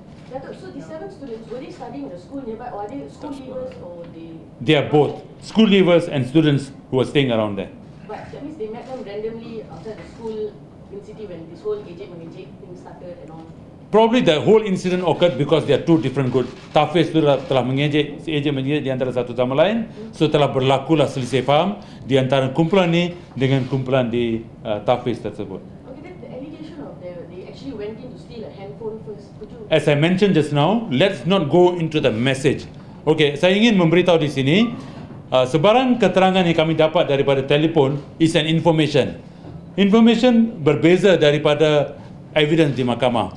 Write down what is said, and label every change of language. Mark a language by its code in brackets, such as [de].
[en] Datuk, so the seven students, were they studying in the school nearby or are they school leavers or they... They are both, school leavers and students who are staying around there. But that means they met them randomly after the school in city when this whole ejek-mengejek thing started and all? probably the whole incident occurred because they are two different group. [ms] Tahfiz itu telah mengejek di antara satu sama lain. So telah berlakulah selisih faham di antara kumpulan ini dengan kumpulan di Tahfiz tersebut. [en] Okay, the allegation of they actually went in to steal a handphone first. As I mentioned just now, let's not go into the message. [ms] Okay, saya ingin memberitahu di sini, sebarang keterangan yang kami dapat daripada telefon [en] is an information. [ms] Information berbeza daripada evidence di mahkamah.